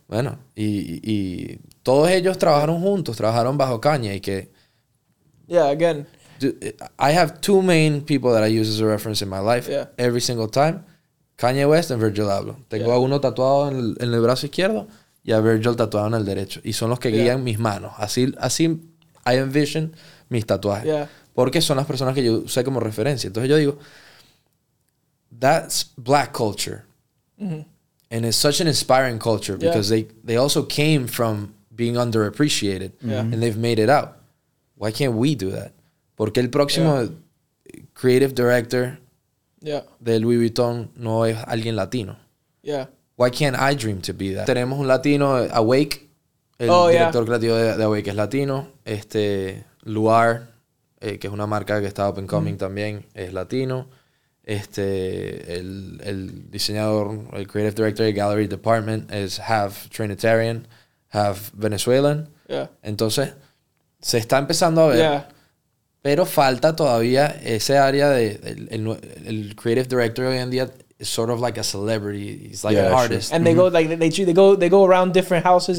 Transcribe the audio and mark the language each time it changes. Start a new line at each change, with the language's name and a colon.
Spanish: Bueno, y todos ellos trabajaron juntos, trabajaron bajo Kanye y que
English: Yeah, again. I have two main people that I use as a reference in my life every single time. Kanye West and Virgil Abloh.
Spanish: Tengo a uno tatuado en el brazo izquierdo y a Virgil tatuado en el derecho y son los que guían mis manos. Así
English: I envision
Spanish: mis tatuajes.
English: Yeah.
Spanish: Porque son las personas que yo usé como referencia. Entonces yo digo,
English: that's black culture. Mm-hmm. And it's such an inspiring culture because they also came from being underappreciated and they've made it out. Why can't we do that?
Spanish: Porque el próximo creative director de Louis Vuitton no es alguien latino.
English: Yeah. Why can't I dream to be that?
Spanish: Tenemos un latino, Awake, el director creativo de Awake es latino. Luar. Que es una marca que está
English: up and coming
Spanish: también, es latino. El diseñador, el
English: creative director
Spanish: de Gallery Department es
English: half Trinitarian, half Venezuelan. Yeah.
Spanish: Entonces, se está empezando a ver, pero falta todavía ese área de...
English: El creative director
Spanish: hoy en día
English: is sort of like a celebrity. He's like an artist. And they go like they go around different houses.